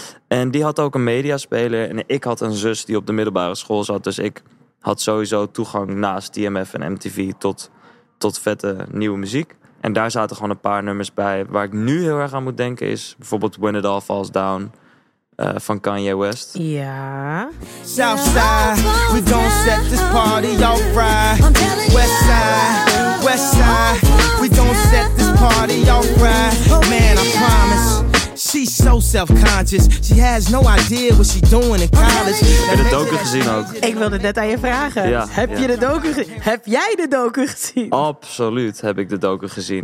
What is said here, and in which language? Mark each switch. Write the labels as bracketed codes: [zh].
[nl] En die had ook een mediaspeler. En ik had een zus die op de middelbare school zat. Dus ik had sowieso toegang naast TMF en MTV tot vette nieuwe muziek. En daar zaten gewoon een paar nummers bij. Waar ik nu heel erg aan moet denken is bijvoorbeeld When It All Falls Down van Kanye West. Ja. [en] Southside, we gon' set this party off right. Westside, Westside, we gon' set this party off right. Man, I promise. She's so self-conscious. She has no idea what she's doing in college. [nl] Heb je de docu gezien ook? Ik wilde net aan je vragen. Ja, heb jij de docu gezien? Absoluut heb ik de docu gezien.